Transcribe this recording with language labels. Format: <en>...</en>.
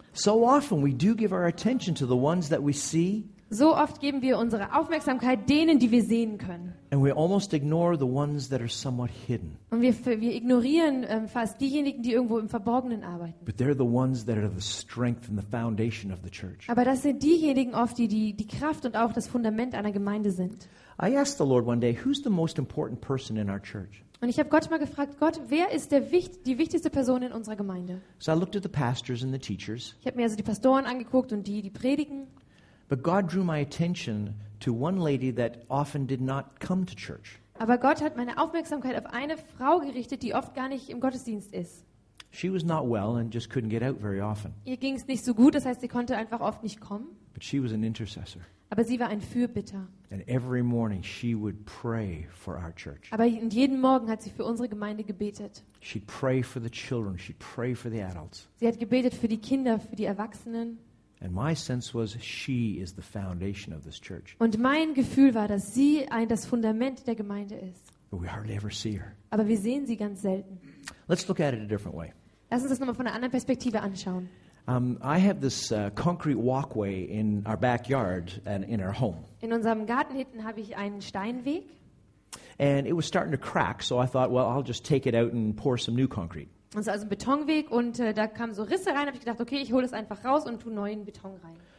<en>So often we do give our attention to the ones that we see.</en> <de>So oft geben wir unsere Aufmerksamkeit denen, die wir sehen können.</de> <en>And we almost ignore the ones that are somewhat hidden.</en> <de>Und wir ignorieren fast diejenigen, die irgendwo im Verborgenen arbeiten.</de> <en>But they're the ones that are the strength and the foundation of the church.</en> <de>Aber das sind diejenigen oft, die Kraft und auch das Fundament einer Gemeinde sind.</de> <en>I asked the Lord one day, who's the most important person in our church?</en> <de>Und ich habe Gott mal gefragt, Gott, wer ist die wichtigste Person in unserer Gemeinde?</de> <en>So I looked at the pastors and the teachers.</en> <de>Ich habe mir also die Pastoren angeguckt und die predigen.</de> <en>But God drew my attention to one lady that often did not come to church.</en> <de>Aber Gott hat meine Aufmerksamkeit auf eine Frau gerichtet, die oft gar nicht im Gottesdienst ist.</de> <en>She was not well and just couldn't get out very often.</en> <de>Ihr ging es nicht so gut, das heißt, sie konnte einfach oft nicht kommen.</de> <en>But she was an intercessor.</en> <de>Aber sie war ein Fürbitter.</de> <en>And every morning she would pray for our church.</en> <de>Aber jeden Morgen hat sie für unsere Gemeinde gebetet.</de> <en>She'd pray for the children, she'd pray for the adults.</en> <de>Sie hat gebetet für die Kinder, für die Erwachsenen.</de> <en>And my sense was she is the foundation of this church.</en> <de>Und mein Gefühl war, dass sie das Fundament der Gemeinde ist.</de> <en>But we hardly ever see her.</en> <de>Aber wir sehen sie ganz selten.</de> <en>Let's look at it a different way.</en> <de>Lass uns das nochmal von einer anderen Perspektive anschauen.</de> <en>I have this concrete walkway in our backyard and in our home.</en> <de>In unserem Garten hinten habe ich einen Steinweg.</de> <en>And it was starting to crack, so I thought, well, I'll just take it out and pour some new concrete.</en> <de>Und es war also ein Betonweg und da kamen so Risse rein. Habe ich gedacht, okay, ich hole es einfach raus und tue neuen Beton rein.</de>